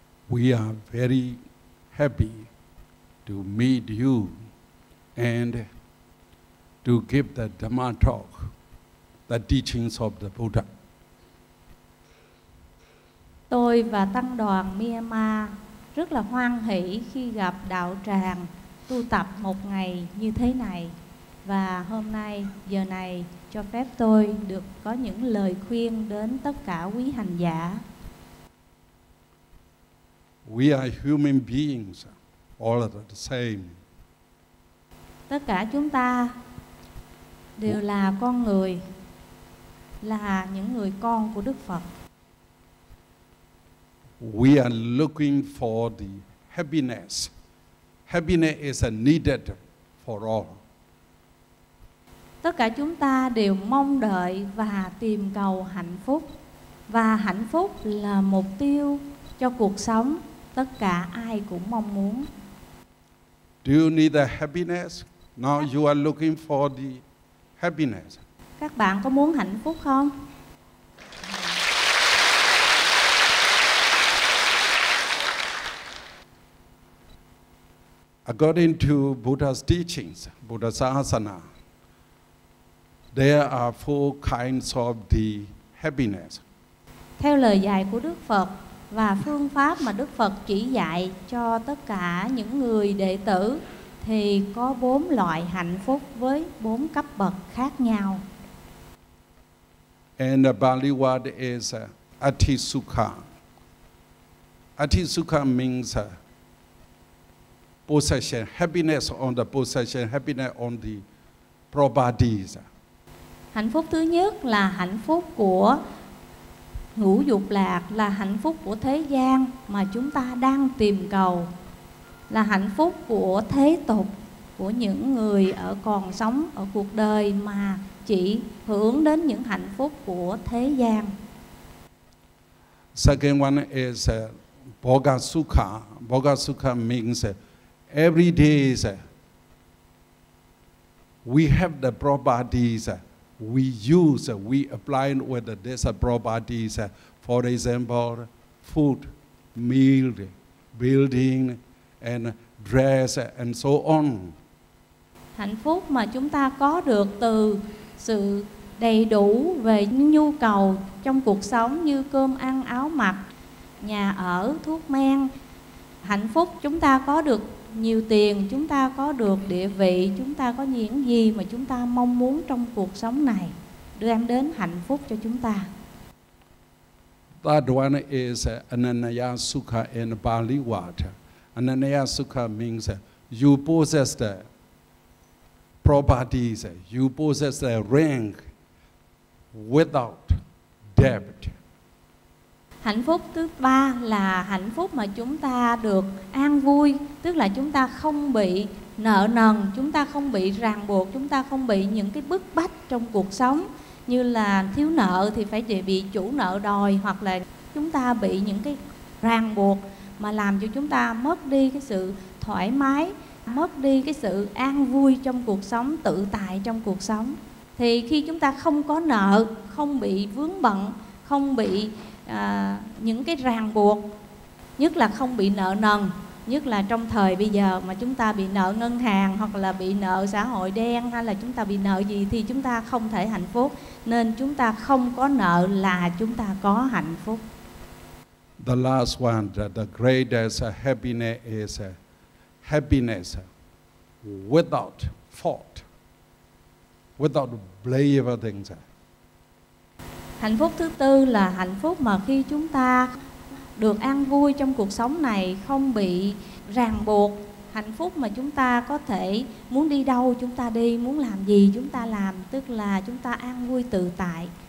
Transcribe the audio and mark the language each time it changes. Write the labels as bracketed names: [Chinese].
[English] We are very happy to meet you and to give the Dhamma talk, the teachings of the Buddha. [Vietnamese] Tôi và tăng đoàn Myanmar rất là hoan hỷ khi gặp đạo tràng tu tập một ngày như thế này. Và hôm nay, giờ này, cho phép tôi được có những lời khuyên đến tất cả quý hành giả. [English] We are human beings, all are the same. [Vietnamese] Tất cả chúng ta đều là con người, là những người con của Đức Phật. [English] We are looking for the happiness. Happiness is needed for all. [Vietnamese] Tất cả chúng ta đều mong đợi và tìm cầu hạnh phúc. Và hạnh phúc là mục tiêu cho cuộc sống. Tất cả ai cũng mong muốn. [English] Do you need the happiness? Now you are looking for the happiness. [Vietnamese] Các bạn có muốn hạnh phúc không? [English] According to Buddha's teachings, Buddha's asana, there are four kinds of the happiness. [Vietnamese] Theo lời dạy của Đức Phật và phương pháp mà Đức Phật chỉ dạy cho tất cả những người đệ tử thì có bốn loại hạnh phúc với bốn cấp bậc khác nhau. [English] And the Bali word is atisukha. Atisukha means possession, happiness on the possession, happiness on the properties. [Vietnamese] Hạnh phúc thứ nhất là hạnh phúc của ngũ dục lạc, là hạnh phúc của thế gian mà chúng ta đang tìm cầu, là hạnh phúc của thế tục, của những người ở còn sống ở cuộc đời mà chỉ hướng đến những hạnh phúc của thế gian. [English] Second one is bhogasukha. Bhogasukha means every day we have the properties. We use, we apply with these properties, for example, food, meal, building, and dress, and so on. [Vietnamese] Hạnh phúc mà chúng ta có được từ sự đầy đủ về nhu cầu trong cuộc sống như cơm ăn, áo mặc, nhà ở, thuốc men. Hạnh phúc chúng ta có được nhiều tiền, chúng ta có được địa vị, chúng ta có những gì mà chúng ta mong muốn trong cuộc sống này đem đến hạnh phúc cho chúng ta. [English] That one is ananaya sukha in Bali word. Ananaya sukha means you possess the properties, you possess the rank without debt. [Vietnamese] Hạnh phúc thứ ba là hạnh phúc mà chúng ta được an vui, tức là chúng ta không bị nợ nần, chúng ta không bị ràng buộc, chúng ta không bị những cái bức bách trong cuộc sống như là thiếu nợ thì phải bị chủ nợ đòi, hoặc là chúng ta bị những cái ràng buộc mà làm cho chúng ta mất đi cái sự thoải mái, mất đi cái sự an vui trong cuộc sống, tự tại trong cuộc sống. Thì khi chúng ta không có nợ, không bị vướng bận, không bị những cái ràng buộc, nhất là không bị nợ nần, nhất là trong thời bây giờ mà chúng ta bị nợ ngân hàng hoặc là bị nợ xã hội đen hay là chúng ta bị nợ gì thì chúng ta không thể hạnh phúc. Nên chúng ta không có nợ là chúng ta có hạnh phúc. [English] The last one, the greatest happiness is happiness without fault, without blame things. [Vietnamese] Hạnh phúc thứ tư là hạnh phúc mà khi chúng ta được an vui trong cuộc sống này, không bị ràng buộc. Hạnh phúc mà chúng ta có thể muốn đi đâu chúng ta đi, muốn làm gì chúng ta làm, tức là chúng ta an vui tự tại.